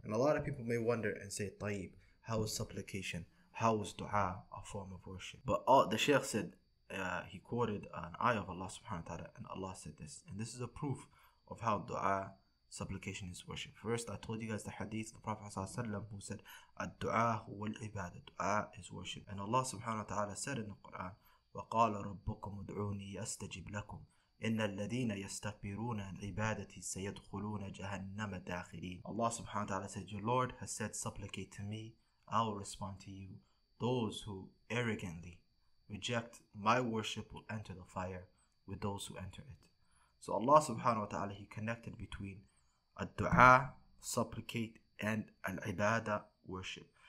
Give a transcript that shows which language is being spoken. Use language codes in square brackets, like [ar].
[en] And a lot of people may wonder and say, Tayyib, how is supplication, how is dua a form of worship? But the Shaykh said, he quoted an ayah of Allah subhanahu wa ta'ala, and Allah said this. And this is a proof of how dua, supplication, is worship. First, I told you guys the hadith of the Prophet sallallahu alayhi wa sallam, who said, [ar] الدُعَى هُوَ الْعِبَادَةِ. [en] Dua is worship. And Allah subhanahu wa ta'ala said in the Quran, [ar] وَقَالَ رَبُّكُمْ ادْعُونِي أَسْتَجِبْ لَكُمْ إِنَّ الَّذِينَ يَسْتَكْبِرُونَ عَنْ عِبَادَتِي سَيَدْخُلُونَ جَهَنَّمَ دَاخِرِينَ. [en] Allah subhanahu wa ta'ala said, your Lord has said, supplicate to me, I will respond to you. Those who arrogantly reject my worship will enter the fire with those who enter it. So Allah subhanahu wa ta'ala, he connected between al-du'a, supplicate, and al-ibadah, worship.